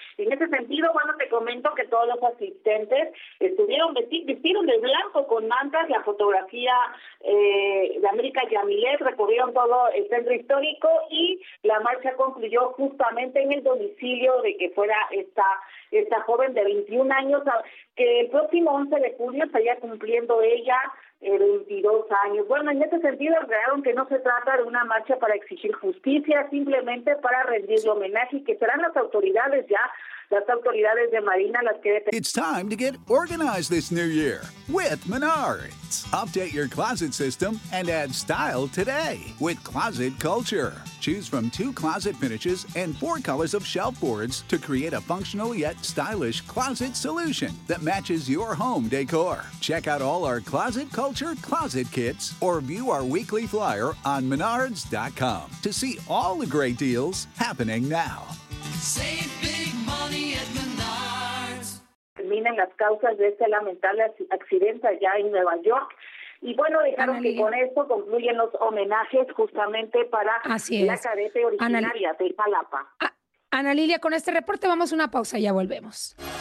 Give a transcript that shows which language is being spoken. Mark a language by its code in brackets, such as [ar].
[es] En ese sentido, bueno, te comento que todos los asistentes estuvieron vestidos de blanco con mantas, la fotografía de América Yamilet, recorrieron todo el centro histórico y la marcha concluyó justamente en el domicilio de que fuera esta joven de 21 años, que el próximo 11 de julio estaría cumpliendo ella 22 años. Bueno, en este sentido, agregaron que no se trata de una marcha para exigir justicia, simplemente para rendirle homenaje, y que serán las autoridades ya, las autoridades de Marina las que... [en] It's time to get organized this new year with Menards. Update your closet system and add style today with Closet Culture. Choose from two closet finishes and four colors of shelf boards to create a functional yet stylish closet solution that matches your home decor. Check out all our Closet Culture closet kits or view our weekly flyer on Menards.com to see all the great deals happening now. Save big money at Menards. [es] Terminen las causas de este lamentable accidente allá en Nueva York. Y bueno, dejaron Analia. Que con esto concluyen los homenajes justamente para la cadete originaria de Jalapa. Ana Lilia, con este reporte vamos a una pausa y ya volvemos.